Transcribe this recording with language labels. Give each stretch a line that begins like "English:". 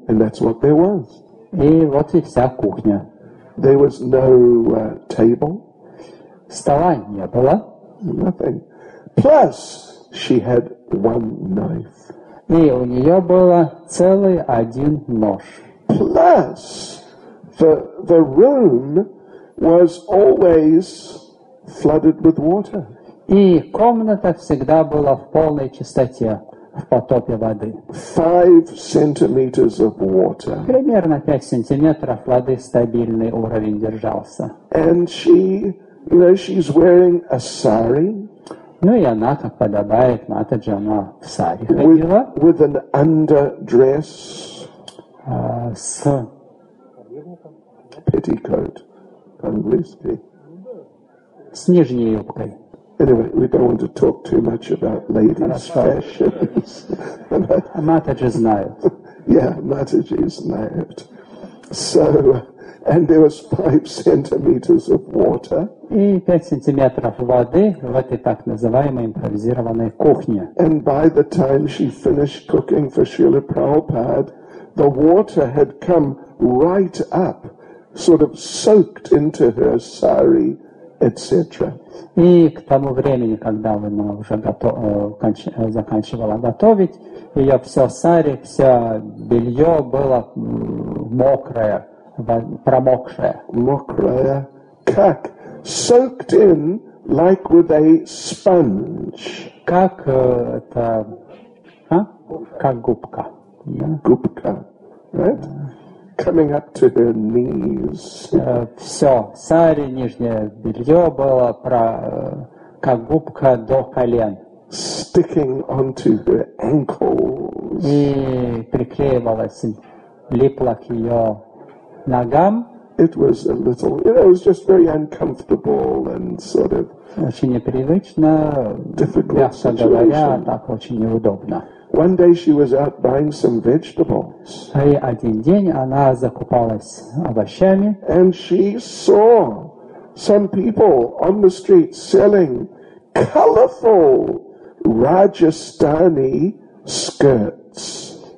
English: And that's what there was.
Russian: И вот и вся кухня.
English: There was no table.
Russian: Стола не было.
English: Nothing. Plus, she had one knife.
Russian: И у нее было целый один нож.
English: Plus, the room was always flooded with water.
Russian: И комната всегда была в полной чистоте, в потопе воды.
English: 5 centimeters of water.
Russian: Примерно 5 сантиметров воды стабильный уровень держался.
English: And she, you know, she's wearing a sari.
Russian: Ну и она, как подобает Матаджи, она в сари ходила.
English: With an underdress.
Russian: С
English: petticoat.
Russian: По-английски. С нижней юбкой.
English: Anyway, we don't want to talk too much about ladies' fashions.
Russian: Матаджи знает.
English: Yeah,
Russian: Матаджи знает.
English: So, and there was 5 centimeters of water.
Russian: И 5 сантиметров воды в этой так называемой импровизированной кухне.
English: And by the time she finished cooking for Srila Prabhupada, the water had come right up, sort of soaked into her sari, etc.
Russian: И к тому времени, когда она уже заканчивала готовить, ее все сари, все белье было мокрое, промокшее. Мокрое, как
English: soaked in, like with a sponge.
Russian: Как это, а? Как губка.
English: Yeah.
Russian: Губка,
English: right? Coming up to her knees.
Russian: Все, сари, нижнее белье было как губка до колен.
English: Sticking onto her ankles.
Russian: И приклеивалась, липла к ее ногам.
English: It was a little, you know, it was just very uncomfortable and sort of
Russian: очень непривычно,
English: difficult
Russian: мягко
English: situation.
Russian: Говоря, так очень неудобно.
English: One day she was out buying some vegetables.
Russian: И один день она закупалась овощами.
English: And she saw some people on the street selling colorful Rajasthani skirts.